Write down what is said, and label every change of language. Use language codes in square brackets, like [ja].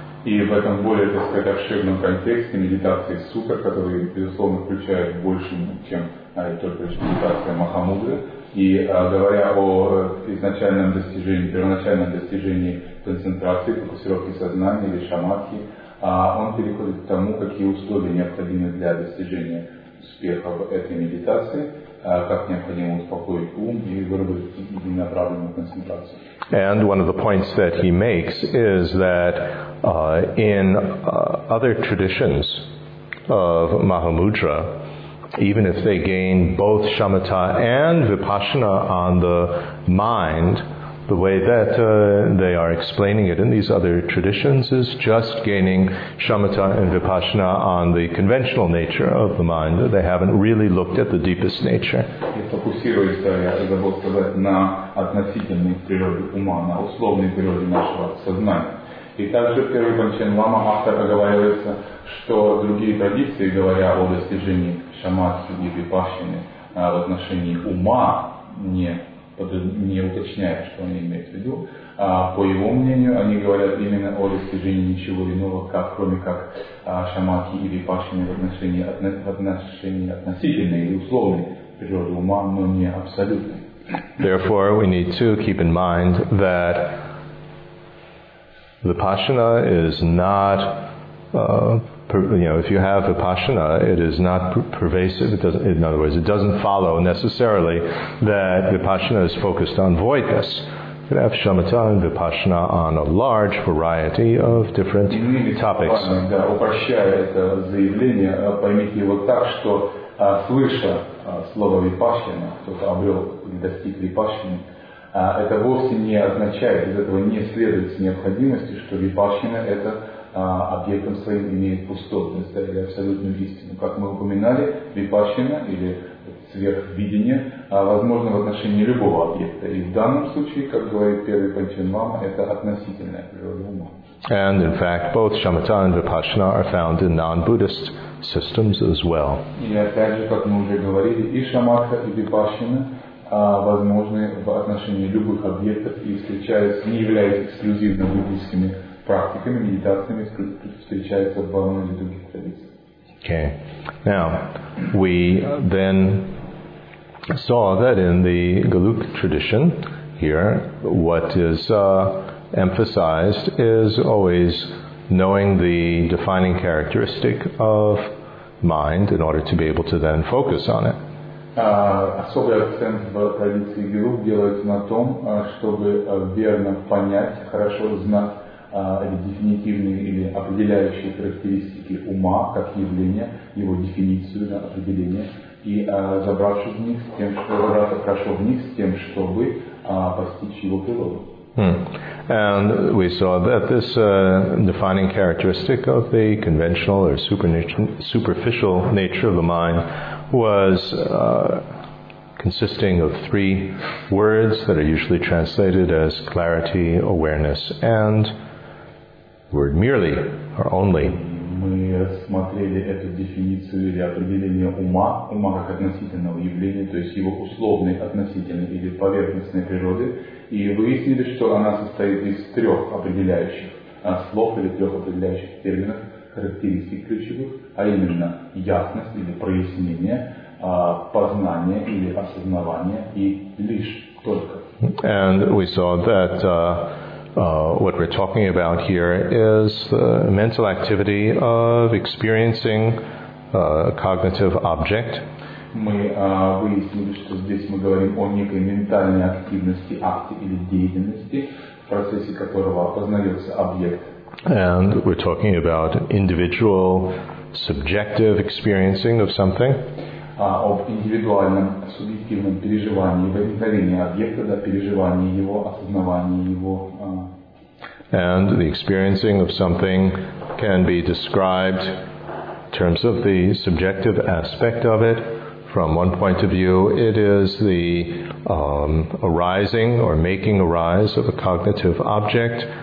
[ru] И в этом более, так сказать, обширном контексте медитации сутра, который, безусловно, включает больше, чем только лишь медитация Махамудры, и говоря о изначальном достижении, первоначальном достижении концентрации, фокусировки сознания или шамадхи, он переходит к тому, какие условия необходимы для достижения успеха в этой медитации, как необходимо успокоить ум и выработать направленную концентрацию. [en] And one of the points that he makes is that in other traditions of Mahamudra, even if they gain both shamatha and vipassana on the mind, the way that they are explaining it in these other traditions is just gaining shamatha and vipassana on the conventional nature of the mind. They haven't really looked at the deepest nature. [ru] И фокусируется, я забыл сказать, на относительной природе ума, на условной природе нашего сознания. И также первый Панчен Лама автор оговаривается, что другие традиции, говоря о достижении шамадхи и випассаны в отношении ума, не уточняет, что они имеют в виду. По его мнению, они говорят именно о достижении ничего иного, как, кроме как шамадхи и випассаны в отношении относительной или условной природы ума, но не абсолютной. [en] Therefore, we need to keep in mind that vipassana is not, if you have vipassana, it is not pervasive. It doesn't, in other words, it doesn't follow necessarily that vipassana is focused on voidness. You can have shamatha and vipassana on a large variety of different topics. [ru] Да, упрощая это заявление, поймите его так, что слыша слово vipassana, кто-то обрел или достиг vipassana, это вовсе не означает, из этого не следует с необходимостью, что випассана это объектом своим имеет пустотность, да, или абсолютную истину. Как мы упоминали, випассана или сверхвидение возможно в отношении любого объекта. И в данном случае, как говорит первый Панчен Лама, это относительная природа ума. [en] And in fact, both shamatha and vipassana are found in non-Buddhist systems as well. [ru] И опять же, как мы уже говорили, и шамадха, и випассана возможны в отношении любых объектов и встречаются, не являются эксклюзивно буддийскими практиками, медитациями, встречаются в многих других традициях. [en] Okay. Now, we then saw that in the Galuk tradition, here, what is emphasized is always knowing the defining characteristic of mind in order to be able to then focus on it. [ru] Особый акцент в традиции Гуру делается на том, чтобы верно понять, хорошо знать дефинитивные или определяющие характеристики ума как явления, его дефиницию на определение, и забравшись в них, чтобы постичь его природу. [en] And we saw that this defining characteristic of the conventional or superficial nature of the mind was consisting of three words that are usually translated as clarity, awareness, and word merely or only. [ru] Мы рассмотрели эту дефиницию или определение ума, ума как относительного явления, то есть его условной, относительной или поверхностной природы, и выяснили, что она состоит из трех определяющих слов или трех определяющих терминов, характеристик ключевых, а именно ясность или прояснение, познание или осознавание и лишь только. [en] And we saw that what we're talking about here is the mental activity of experiencing a cognitive object. [ru] Мы выяснили, что здесь мы говорим о некой ментальной активности, акте или деятельности, в процессе которого познается объект. [en] And we're talking about individual subjective experiencing of something. [ru] Об индивидуальном субъективном переживании, возникновении объекта, да, переживании его, осознавании его. [en] And the experiencing of something can be described in terms of the subjective aspect of it. From one point of view, it is the arising or making arise of a cognitive object.